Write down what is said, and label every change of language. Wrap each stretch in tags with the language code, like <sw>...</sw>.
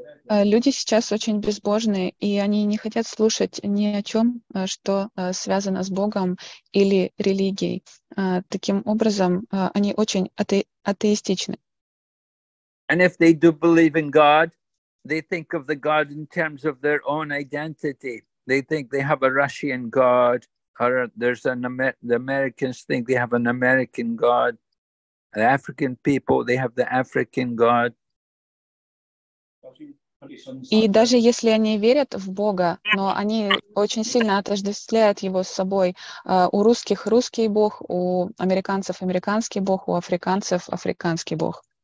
<ru>Люди сейчас очень безбожные, и они не хотят слушать ни о чем, что связано с Богом или религией. Таким образом, они очень атеистичны.</ru> <en>And if they do believe in God, they think of the God in terms of their own identity. They think they have a Russian God, there's an Americans think they have an American God. The African people, they have the African God.</en> <ru>И даже если они верят в Бога, но они очень сильно отождествляют его с собой. У русских русский Бог, у американцев американский Бог, у африканцев африканский Бог.</ru>